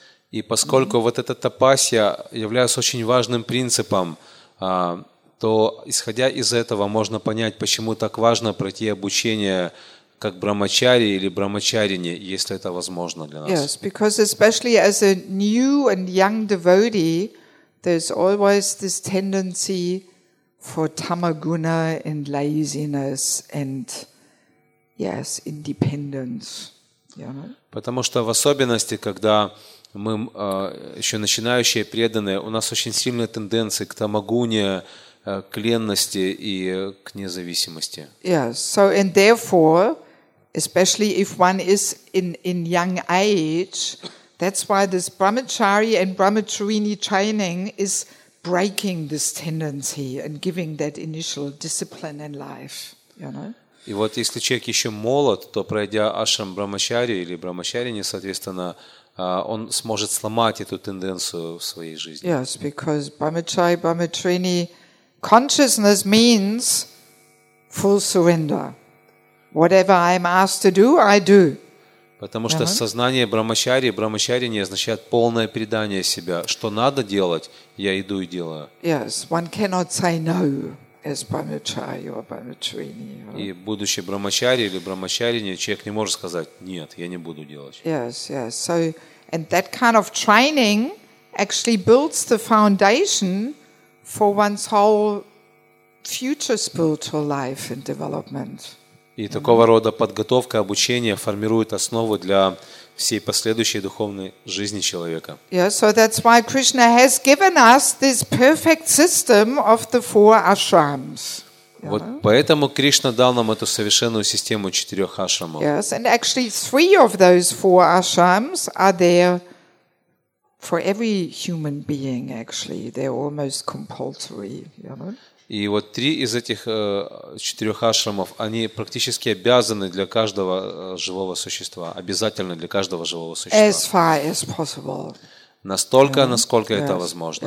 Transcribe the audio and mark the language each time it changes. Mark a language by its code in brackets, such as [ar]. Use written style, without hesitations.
[ru] И поскольку вот эта тапасья является очень важным принципом, то исходя из этого можно понять, почему так важно пройти обучение как брахмачари или брахмачарини, если это возможно для нас. [en] Yes, because especially as a new and young devotee, there's always this tendency for tamaguna and laziness and yes, independence. You know? [ru] Потому что в особенности, когда мы еще начинающие преданные, у нас очень сильные тенденции к тамагуне, к ленности и к независимости. [en] Yes. So and therefore, especially if one is in young age, that's why this brahmachari and brahmacharini training is breaking this tendency and giving that initial discipline in life. You know? [ru] И вот если человек еще молод, то пройдя ашрам брахмачари или брахмачарини, соответственно, он сможет сломать эту тенденцию в своей жизни. [en] Yes, because brahmachari, brahmacharini consciousness means full surrender. Whatever I'm asked to do, I do. [ru] Потому что сознание брахмачари, брахмачарини означает полное предание себя. Что надо делать, я иду и делаю. [en] Yes, one cannot say no as brahmachari or brahmacharini. [ru] И будучи брахмачари или брахмачарини, человек не может сказать нет, я не буду делать. [en] Yes, yes. So, and that kind of training actually builds the foundation for one's whole future spiritual life and development. [ru] И такого рода подготовка, обучение формирует основу для всей последующей духовной жизни человека. [en] Yeah, so that's why Krishna has given us this perfect system of the four ashrams. [ru] Вот поэтому Кришна дал нам эту совершенную систему четырех ашрамов. [en] Yes, and actually three of those four ashrams are there for every human being, actually. They're almost compulsory, you know? [ru] И вот три из этих четырех ашрамов, они практически обязаны для каждого живого существа, обязательно для каждого живого существа. [en] As far as possible. [ru] Настолько, насколько это возможно.